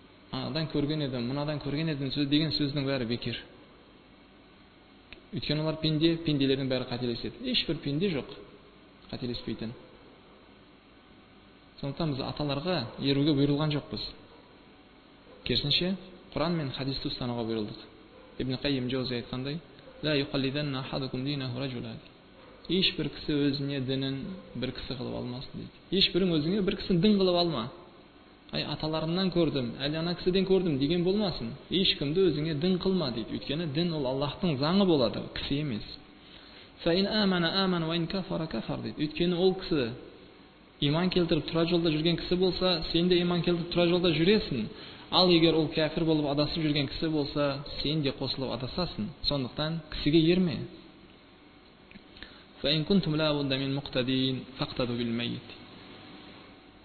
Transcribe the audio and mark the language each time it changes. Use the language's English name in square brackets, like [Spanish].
[Kazakh] Анадан көрген едім, мынадан көрген едім деген сөздің бәрі бекер. Өйткені олар пенде, пенделердің бәрі қателеседі. Ешбір пенде жоқ қателеспейтін. Сондықтан біз аталарға еруге бұйырылған жоқпыз. Керісінше, Құран мен хадисті ұстануға бұйырылдық. Ибн Қайым жауыз айтқандай, [Arabic] لا يقلدن أحدكم دينه رجلا. [Kazakh] Ешбір кісі өзіне дінін бір кісі қылып алмасын дейді. Ешбірің өзіңе бір кісі дін қылып алма. Ай аталарымнан көрдім, әлі ана кісіден көрдім деген болмасын. Ешкімді өзіңе дін қылма дейді. Өйткені дін ол Аллаһтың заңы болады, кісі емес. [Arabic] فَإِنْ آمَنَ آمَنْ وَإِنْ كَفَرَ كَفَرَ [Kazakh] дейді. Өйткені ол кісі иман келтіріп тұра жолда жүрген кісі болса, сен де иман келтіріп тұра жолда жүресің. Ал егер ол кәфір болып адасып жүрген кісі болса, сен де қосылып адасасың. Сондықтан кісіге ерме. [Arabic] فَإِنْ كُنْتُمْ لَا بُدَّ مِنْ مُقْتَدِينَ فَقْتَدُ بِالْمَيِّتِ.